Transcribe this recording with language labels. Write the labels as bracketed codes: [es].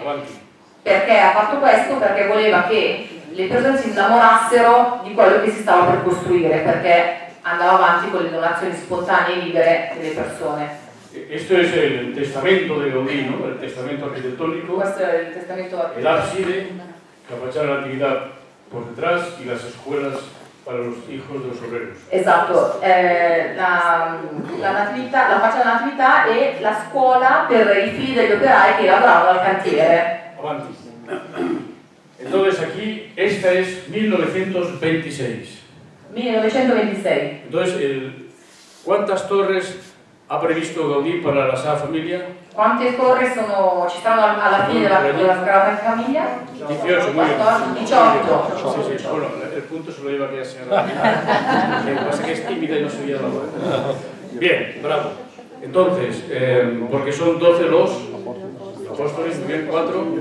[it] Avanti. Perché ha fatto questo? Perché voleva che le persone si innamorassero di quello che si stava per costruire, perché andava avanti con le donazioni spontanee e libere delle persone. Questo è il testamento di Gaudí, no? Il testamento architettonico. Questo è il testamento architettonico. L'abside, la facciata della Natività [es] por detrás y las escuelas para los hijos de los obreros. Exacto. [it] La facciata della Natività e la scuola per i figli degli operai che lavoravano al cantiere. [es] Avanti. Entonces aquí, esta es 1926. [it] 1926. [es] Entonces, ¿cuántas torres ha previsto Gaudí para la Sagrada Familia? ¿Cuántas torres [it] sono, ci stanno alla fine della Sagrada Familia? [es] 18, muy bien. 18. Sí, sí, bueno, el punto se lo lleva aquí a la señora. Lo que pasa es que es tímida y no sabía la hora. Bien, bravo. Entonces, porque son 12 los apóstoles, bien, 4.